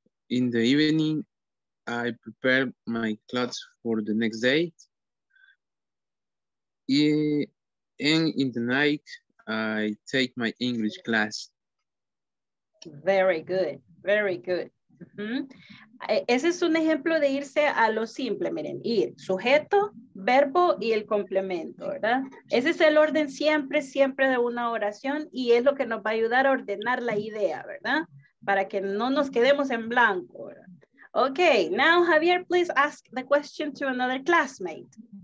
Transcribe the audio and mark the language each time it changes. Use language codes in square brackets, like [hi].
[en] In the evening, I prepare my clothes for the next day. And in the night, I take my English class. Very good, very good. Mm-hmm. [es] Ese es un ejemplo de irse a lo simple, miren, ir sujeto, verbo y el complemento, ¿verdad? Ese es el orden siempre, siempre de una oración y es lo que nos va a ayudar a ordenar la idea, ¿verdad? Para que no nos quedemos en blanco. [en] Okay, now Javier, please ask the question to another classmate.